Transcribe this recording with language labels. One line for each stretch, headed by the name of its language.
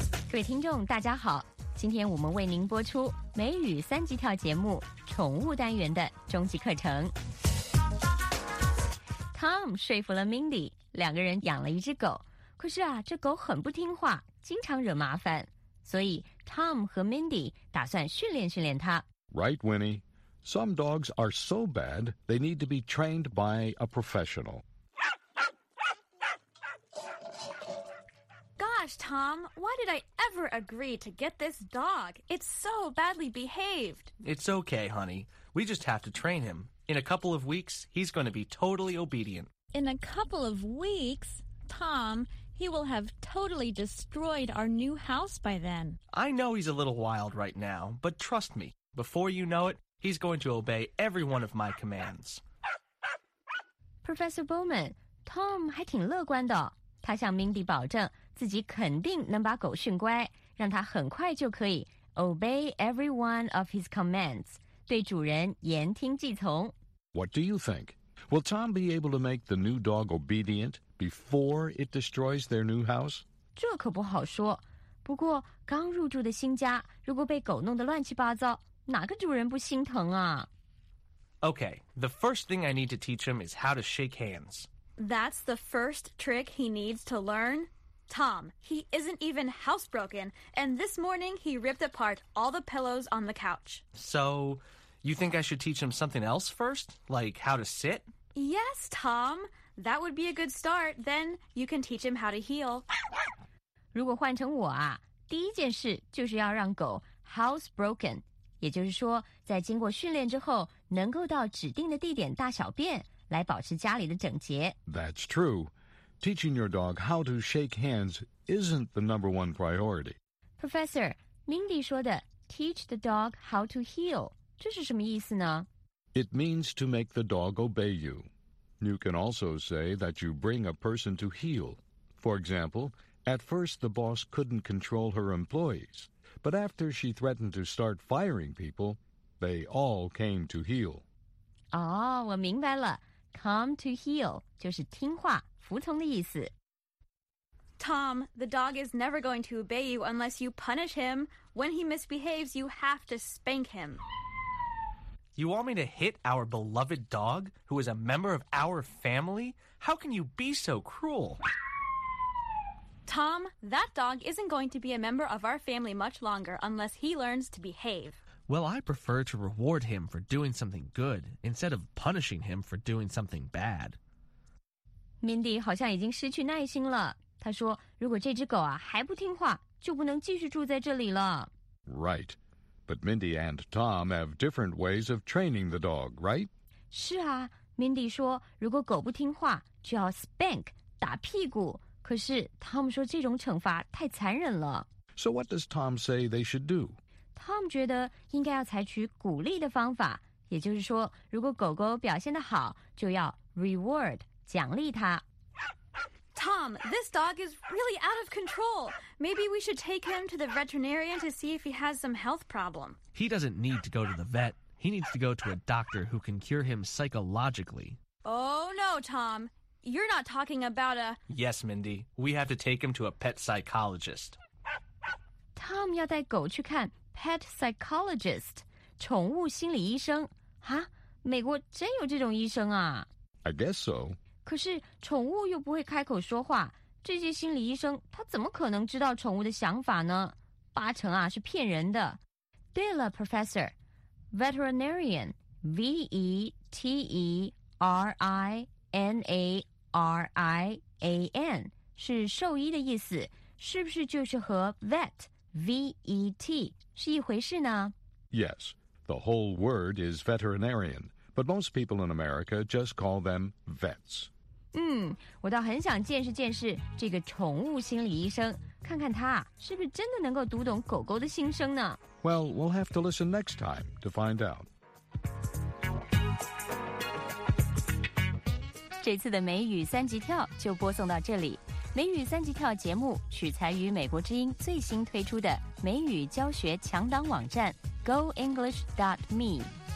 Chinese: 各位听众大家好，今天我们为您播出美语三级跳节目宠物单元的终极课程。 Tom 说服了 Mindy， 两个人养了一只狗，可是啊，这狗很不听话，经常惹麻烦，所以 Tom 和 Mindy 打算训练训练它。
English: Right, Winnie. Some dogs are so bad they need to be trained by a professional. Gosh, Tom, why did I ever agree to get this dog? It's so badly behaved. It's okay, honey. We just have to train him. In a couple of weeks, he's going to be totally obedient. In a couple of weeks? Tom... He will have totally destroyed our new house by then. I know he's a little wild right now, but trust me, before you know it, he's going to obey every one of my commands.
Chinese: Professor Bowman, Tom 还挺乐观的，他向 Mindy 保证自己肯定能把狗训乖，让他很快就可以
English: obey every one of his commands,
Chinese: 对主人言听计从。
English: What do you think? Will Tom be able to make the new dog obedient? Before it destroys their new house?
Chinese: 这可不好说。不过刚入住的新家如果被狗弄得乱七八糟，哪个主人不心疼啊？
English: Okay, the first thing I need to teach him is how to shake hands. That's the first trick he needs to learn? Tom, he isn't even housebroken, and this morning he ripped apart all the pillows on the couch. So, you think I should teach him something else first? Like how to sit? Yes, Tom. That would be a good start. Then you can teach him how to heal.
Chinese: 如果换成我啊，第一件事就是要让狗 housebroken， 也就是说，在经过训练之后，能够到指定的地点大小便，来保持家里的整洁。
English: That's true. Teaching your dog how to shake hands isn't the number one priority.
Chinese: Professor, Mindy 说的
English: teach the dog how to heal，
Chinese: 这是什么意思呢？
English: It means to make the dog obey you. You can also say that you bring a person to heal. For example, at first the boss couldn't control her employees, but after she threatened to start firing people, they all came to heal.
Chinese: Oh, 我明白了。
English: Come to heal
Chinese: 就是听话、服从的意思。
English: Tom, the dog is never going to obey you unless you punish him. When he misbehaves, you have to spank him. You want me to hit our beloved dog, who is a member of our family? How can you be so cruel? Tom, that dog isn't going to be a member of our family much longer unless he learns to behave. Well, I prefer to reward him for doing something good instead of punishing him for doing something bad.
Chinese: Mindy 好像已经失去耐心了。她说，如果这只狗啊还不听话，就不能继续住在这里了。
English: Right. But Mindy and Tom have different ways of training the dog, right?
Chinese: 是啊 ,Mindy 说如果狗不听话就要 spank, 打屁股。可是 Tom 说这种惩罚太残忍了。
English: So what does Tom say they should do?
Chinese: Tom 觉得应该要采取鼓励的方法，也就是说如果狗狗表现得好就要 reward, 奖励它。
English: Tom, this dog is really out of control. Maybe we should take him to the veterinarian to see if he has some health problem. He doesn't need to go to the vet. He needs to go to a doctor who can cure him psychologically. Oh, no, Tom. You're not talking about a... Yes, Mindy. We have to take him to a pet psychologist.
Chinese: Tom 要带狗去看 pet psychologist, 宠物心理医生。啊，美国真有这种医生啊。
English: I guess so.
Chinese: 可是宠物又不会开口说话，这些心理医生他怎么可能知道宠物的想法呢？八成啊是骗人的。对了 ，Professor， veterinarian， V E T E R I N A R I A N 是兽医的意思，是不是就是和 vet V E T 是一回事呢
English: ？Yes， the whole word is veterinarian. But most people in America just call them vets.
Chinese: 我倒很想见识见识这个宠物心理医生，看看他是不是真的能够读懂狗狗的心声呢？
English: Well, we'll have to listen next time to find out.
Chinese: 这次的美语三级跳就播送到这里。美语三级跳节目取材于美国之音最新推出的美语教学强档网站 goenglish.me。